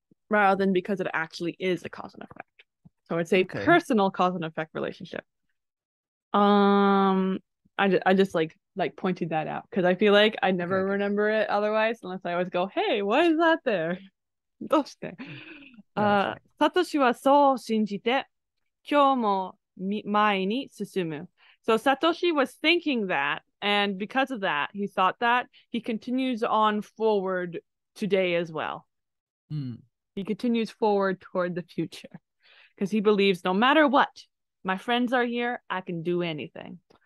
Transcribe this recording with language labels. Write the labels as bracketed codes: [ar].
[en] Rather than because it actually is a cause and effect. So it's a okay. personal cause and effect relationship. I just like pointed that out because I feel like I never okay. remember it otherwise unless I always go, hey, what is that there? [ja] どうして? サトシはそう信じて今日も前に進む。 [en] So Satoshi was thinking that, and because of that, he thought that, he continues on forward today as well. Mm. He continues forward toward the future. Because he believes no matter what, my friends are here, I can do anything.